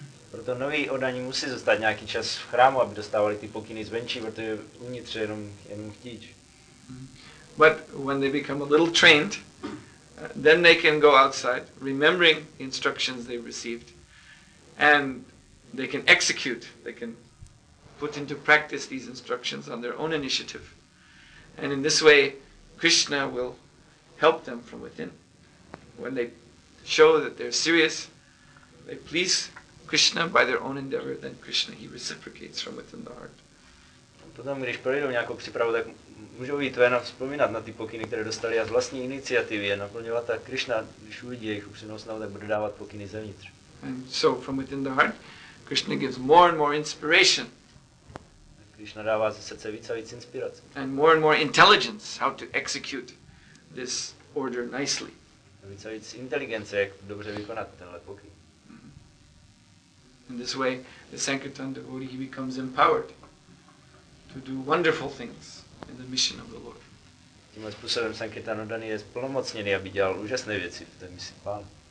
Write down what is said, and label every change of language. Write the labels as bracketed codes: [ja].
[cs] Proto noví oddaní musí zůstat nějaký čas v chrámu, aby dostávali ty pokyny zvenčí, protože uvnitř je jenom chtíč. [en] But when they become a little trained, then they can go outside, remembering the instructions they received, and they can execute, they can put into practice these instructions on their own initiative. And in this way, Krishna will help them from within. When they show that they're serious, they please Krishna by their own endeavor, then Krishna, he reciprocates from within the heart. [cs] Potom, když projdou nějakou přípravu, tak můžou jít ven a vzpomínat na ty pokyny, které dostali a z vlastní iniciativy je naplňovat, tak Krishna, když uvidí jejich upřímnou snahu, tak bude dávat pokyny zevnitř. [en] And so from within the heart, Krishna gives more and more inspiration. [cs] Krishna dává ze srdce víc a víc inspirace. [en] And more intelligence how to execute this order nicely. [cs] A víc a víc inteligence, jak dobře vykonat tenhle pokyn. [en] In this way, the Sankirtan devotee becomes empowered to do wonderful things in the mission of the Lord. [cs] Tímhle způsobem Sankirtan oddaný je zplnomocněný, aby dělal úžasné věci v té misi pána.